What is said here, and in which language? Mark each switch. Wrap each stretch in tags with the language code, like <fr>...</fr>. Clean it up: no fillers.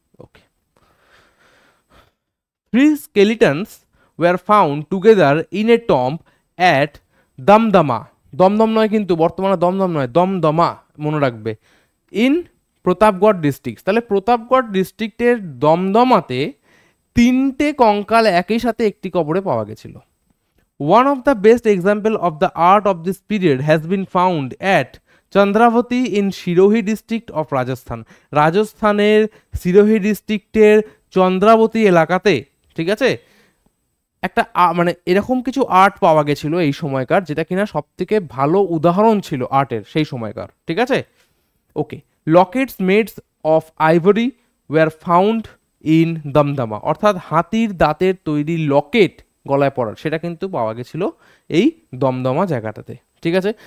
<en>okay, three skeletons were found together in a tomb at Damdama,</en> <bn>Dumdum নয় কিন্তু, বর্তমানে দমদম নয়, দমদমা মনে রাখবে,</bn> <en>In Pratapgarh district.</en> <bn>তাহলে প্রতাপগড় ডিস্ট্রিক্টের দমদমাতে তিনটে কঙ্কাল একই সাথে একটি কবরে পাওয়া গেছিল।</bn> <en>One of the best examples of the art of this period has been found at Chandravati in Sirohi district of Rajasthan.</en> <bn>রাজস্থানের সিরোহি ডিস্ট্রিক্টের চন্দ্রাবতী এলাকাতে, ঠিক আছে, একটা মানে এরকম কিছু আর্ট পাওয়া গেছিল এই সময়কার, যেটা কিনা সব থেকে ভালো উদাহরণ ছিল আর্টের সেই সময়কার, ঠিক আছে।</bn> <en>okay, lockets made of ivory were found in Damdama,</en> <bn>অর্থাৎ হাতির দাঁতের তৈরি লকেট গলায় পড়ার, সেটা কিন্তু পাওয়া গেছিল এই দমদমা জায়গাটাতে, ঠিক আছে।</bn>